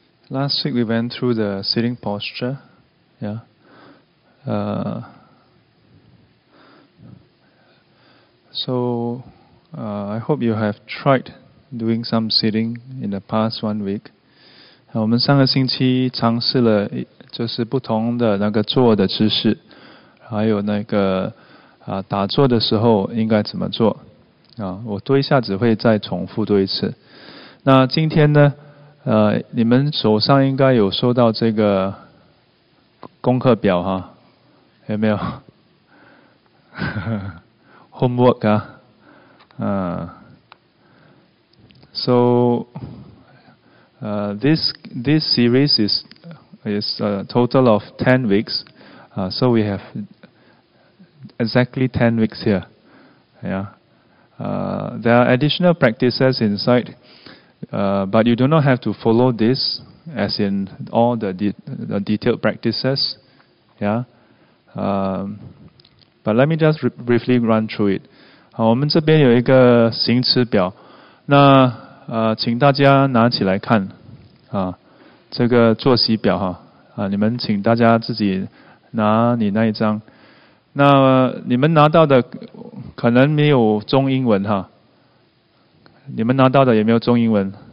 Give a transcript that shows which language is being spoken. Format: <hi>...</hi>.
<en>last week we went through the sitting posture, yeah. I hope you have tried doing some sitting in the past 1 week.</en> <zh>我们上个星期尝试了就是不同的那个坐的姿势，还有那个打坐的时候应该怎么做啊？我多一下子会再重复多一次。那今天呢？你们手上应该有收到这个功课表哈，有没有？Homework 啊，</zh> <en>So, this series is a total of 10 weeks. So we have exactly 10 weeks here. Yeah. There are additional practices inside. But you do not have to follow this as in all the detailed practices. Yeah? But let me just briefly run through it.</en> <zh>好，我们这边有一个行持表，那请大家拿起来看啊，这个作息表哈，你们请大家自己拿你那一张。那你们拿到的可能没有中英文哈，你们拿到的也没有中英文。</zh>